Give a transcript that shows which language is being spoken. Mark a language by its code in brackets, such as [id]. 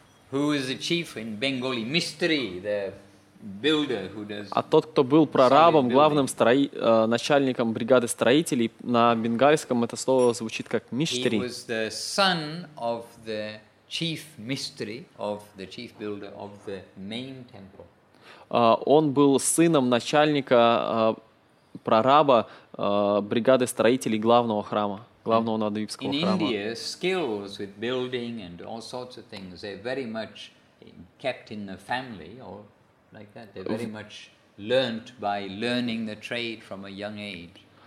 [en] Who was the chief in Bengali? Mishtri, the builder who does. [ru] А тот, кто был прорабом, главным начальником бригады строителей на бенгальском, это слово звучит как Mishtri. [en] He was the son of the chief mystery of the chief builder of the main temple. [ru] Он был сыном начальника прораба бригады строителей главного храма, главного надвипского храма. [en] In India, skills with building and all sorts of things, they're very much kept in the family or like that. They're very much learnt by learning the trade from a young age.